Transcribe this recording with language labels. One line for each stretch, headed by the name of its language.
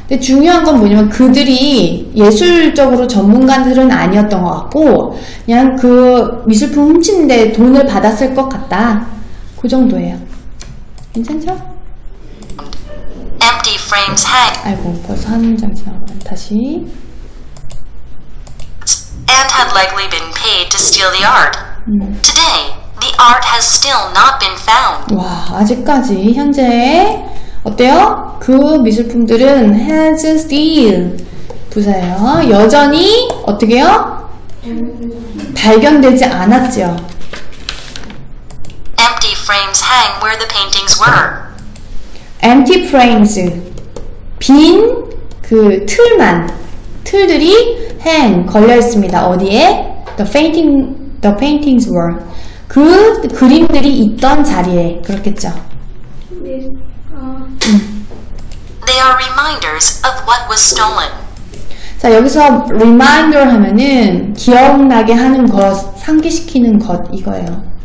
Korean: 근데 중요한 건 뭐냐면 그들이 예술적으로 전문가들은 아니었던 것 같고 그냥 그 미술품 훔친 데 돈을 받았을 것 같다. 그 정도예요. 괜찮죠?
English: Empty frames hang.
Korean: 아이고 벌써 한 장 지나가네. 다시.
English: And had likely been paid to steal the art. Today, the art has still not been found.
Korean: 와, 아직까지 현재 어때요? 그 미술품들은 has still 부사예요. 여전히 어떻게요? 발견되지 않았죠.
English: Empty frames hang where the paintings were. Empty frames.
Korean: 빈 그 틀만. 틀들이 hang 걸려 있습니다. 어디에?
English: The paintings were.
Korean: 그 그림들이 있던 자리에. 그렇겠죠? 네.
English: They are reminders of what was stolen.
Korean: 자, 여기서 reminder 하면은 기억나게 하는 것, 상기시키는 것 이거예요.